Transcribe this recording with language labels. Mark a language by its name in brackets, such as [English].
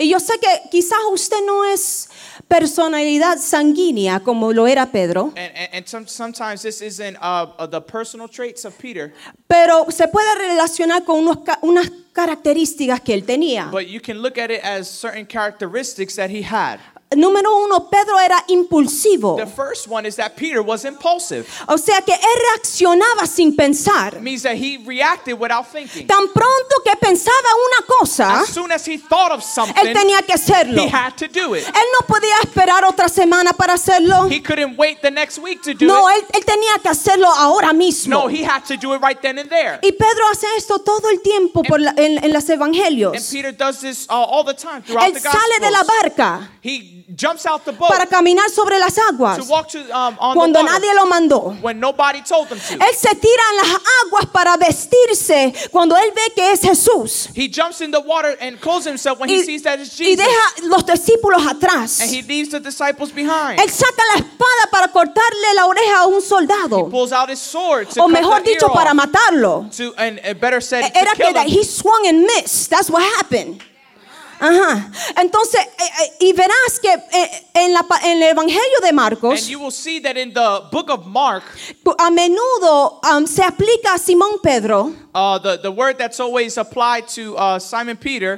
[Spanish] Y yo sé que quizás usted no es personalidad sanguínea como lo era Pedro. [English] And sometimes this isn't the personal traits of Peter. [Spanish] Pero se puede relacionar con unas características que él tenía. [English] But you can look at it as certain characteristics that he had. [Spanish] Número uno, Pedro era impulsivo. [English] The first one is that Peter was impulsive. [Spanish] O sea que él reaccionaba sin pensar. [English] It means that he reacted without thinking. [Spanish] Tan pronto que pensaba una cosa, [English] as soon as he thought of something, [Spanish] él tenía que hacerlo. [English] He had to do it. [Spanish] Él no podía esperar otra semana para hacerlo. [English] He couldn't wait the next week to do [Spanish] it. No, él tenía que hacerlo ahora mismo. [English] No, he had to do it right then and there. [Spanish] Y Pedro hace esto todo el tiempo en los evangelios. [English] And Peter does this all the time throughout [Spanish] él [English] the gospels. [Spanish] Él sale de la barca. [English] He jumps out the boat [Spanish] para caminar sobre las aguas cuando nadie lo mandó. [English] When nobody told them to. [Spanish] Él se tira en las aguas para vestirse cuando él ve que es Jesús. [English] He jumps in the water and clothes himself when he sees that it's Jesus. [Spanish] Y deja los discípulos atrás. [English] And he leaves the disciples behind. [Spanish] Él saca la espada para cortarle la oreja a un soldado. [English] He pulls out his sword to [Spanish] o mejor [English] cut the [Spanish] dicho, para matarlo. [English] To, and better said, [Spanish] era [English] to kill [Spanish] que [English] him. He swung and missed. That's what happened. Ajá. [Spanish] Entonces, y verás que en el Evangelio de Marcos, [English] and you will see that in the book of Mark, [Spanish] a menudo se aplica a Simón Pedro. [English] The word that's always applied to Simon Peter